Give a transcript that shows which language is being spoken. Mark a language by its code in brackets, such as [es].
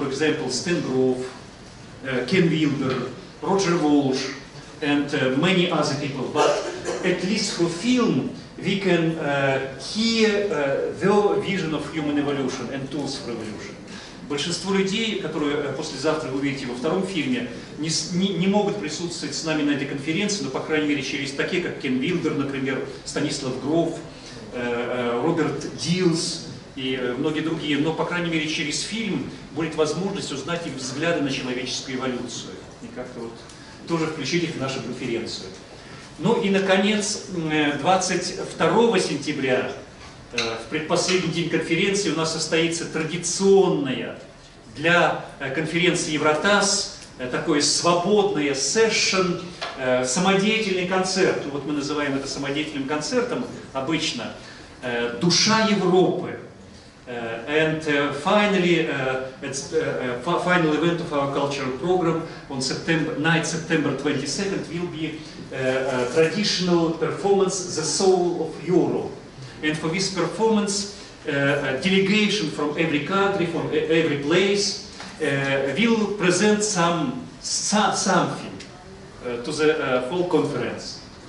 [en] For example, Stan Grove, Ken Wilber, Roger Walsh, and many other people. But at least for film, we can hear the vision of human evolution and tools for evolution. [ru] Большинство людей, которые послезавтра вы увидите во втором фильме, не могут присутствовать с нами на этой конференции, но, по крайней мере, через такие, как Кен Вилдер, например, Станислав Гров, Роберт Дилс и многие другие. Но, по крайней мере, через фильм будет возможность узнать их взгляды на человеческую эволюцию. И как-то вот тоже включить их в нашу конференцию. Ну и, наконец, 22 сентября, в предпоследний день конференции, у нас состоится традиционная для конференции Евротас такой свободный сессион, самодеятельный концерт. Вот мы называем это самодеятельным концертом обычно. «Душа Европы». [en] And finally, it's final event of our cultural program on September, night September 22nd will be traditional performance «The Soul of Europe». And for this performance, a delegation from every country, from every place, will present something to the full conference.